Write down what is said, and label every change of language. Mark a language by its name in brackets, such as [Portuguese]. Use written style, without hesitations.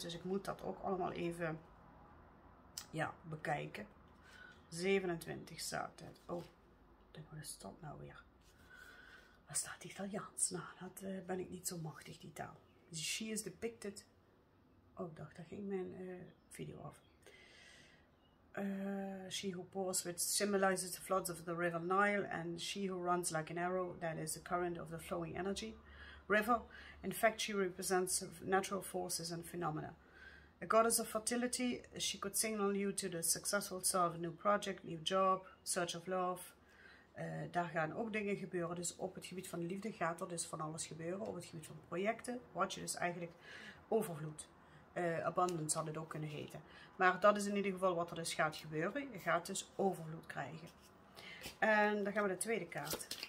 [Dutch] Dus ik moet dat ook allemaal even bekijken. 27 staat het. Oh, wat is dat nou weer? Waar staat Italiaans? Nou, dat ben ik niet zo machtig, die taal. [English] She is depicted. [Dutch] Oh, ik dacht, daar ging mijn video af. [English] She who pours, which symbolizes the floods of the river Nile, and she who runs like an arrow, that is the current of the flowing energy river. In fact, she represents natural forces and phenomena. A goddess of fertility, she could signal you to the successful start of a new project, new job, search of love. [Dutch] Daar gaan ook dingen gebeuren. Dus op het gebied van de liefde gaat er dus van alles gebeuren. Op het gebied van projecten, wat je dus eigenlijk overvloed. Abundance had het ook kunnen heten. Maar dat is in ieder geval wat er dus gaat gebeuren. Je gaat dus overvloed krijgen. En dan gaan we naar de tweede kaart.